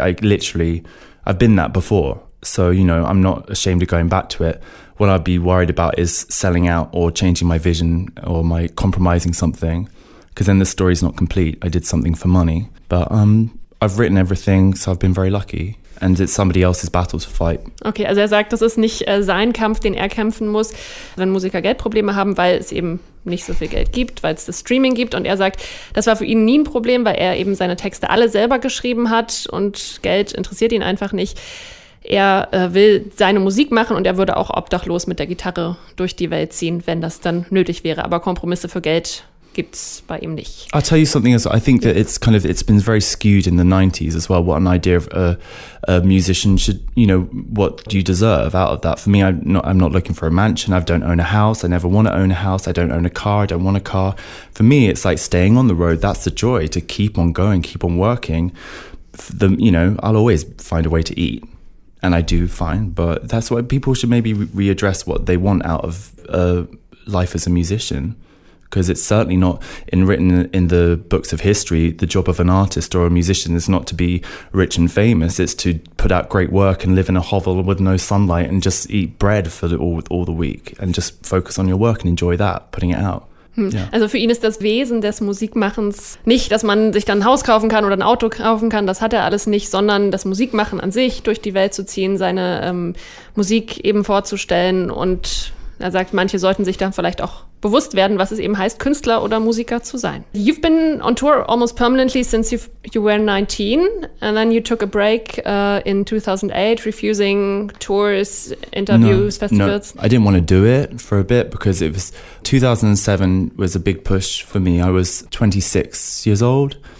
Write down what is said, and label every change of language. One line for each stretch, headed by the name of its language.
English: I've been that before, so you know, I'm not ashamed of going back to it. What I'd be worried about is selling out or changing my vision or my compromising something, because then the story's not complete. I did something for money, but I've written everything, so I've been very lucky. And it's somebody else's battle to fight.
German: Okay, also er sagt, das ist nicht sein Kampf, den er kämpfen muss, wenn Musiker Geldprobleme haben, weil es eben nicht so viel Geld gibt, weil es das Streaming gibt. Und er sagt, das war für ihn nie ein Problem, weil er eben seine Texte alle selber geschrieben hat und Geld interessiert ihn einfach nicht. Er will seine Musik machen und er würde auch obdachlos mit der Gitarre durch die Welt ziehen, wenn das dann nötig wäre. Aber Kompromisse für Geld gibt's bei ihm nicht.
English: I'll tell you something else. I think that it's been very skewed in the 90s as well. What an idea of a musician should, you know, what do you deserve out of that? For me, I'm not looking for a mansion. I don't own a house. I never want to own a house. I don't own a car. I don't want a car. For me, it's like staying on the road. That's the joy, to keep on going, keep on working. I'll always find a way to eat. And I do fine. But that's why people should maybe readdress what they want out of life as a musician. because it's certainly not in written in the books of history. The job of an artist or a musician is not to be rich and famous. It's to put out great work and live in a hovel with no sunlight and just eat bread for all the week and just focus on your work and enjoy that, putting it out.
German: Also für ihn ist das Wesen des Musikmachens nicht, dass man sich dann ein Haus kaufen kann oder ein Auto kaufen kann, das hat er alles nicht, sondern das Musikmachen an sich, durch die Welt zu ziehen, seine Musik eben vorzustellen. Und er sagt, manche sollten sich dann vielleicht auch bewusst werden, was es eben heißt, Künstler oder Musiker zu sein.
English: You've been on tour almost permanently since you were 19, and then you took a break in 2008, refusing tours, interviews, festivals. No, I didn't want to do it for a bit because it was 2007 was a big push for me. I was 26 years old.